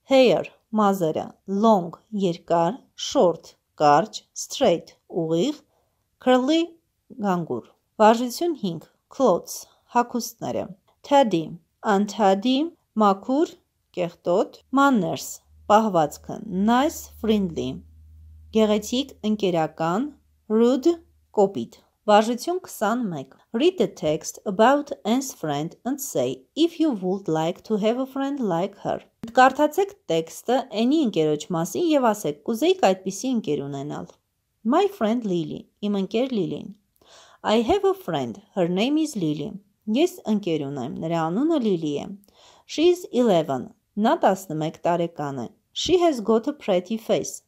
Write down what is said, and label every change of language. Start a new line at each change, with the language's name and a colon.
Armenian: Hair մազերը, long երկար, short կարճ, straight ուղիղ, curly գանգուր. Վարժություն 5. Clothes հագուստները. Tidy untidy մաքուր, կեղտոտ. Manners պահվածքը. Nice friendly գեղեցիկ, ընկերական. Rude կոպիտ. Վարժություն 21.
English: Read the text about Anne's friend and say if you would like to have a friend like her.
Armenian: Կարդացեք տեքստը Annie-ի ընկերոջ մասին եւ ասեք, կուզեիք այդպիսի ընկեր ունենալ։
English: My friend Lily.
Armenian: Իմ ընկեր Lily-ն։
English: I have a friend. Her name is Lily.
Armenian: Ես ընկեր ունեմ, նրա անունը Lily է։
English: She is 11.
Armenian: Նա 11 տարեկան է։
English: She has got a pretty face.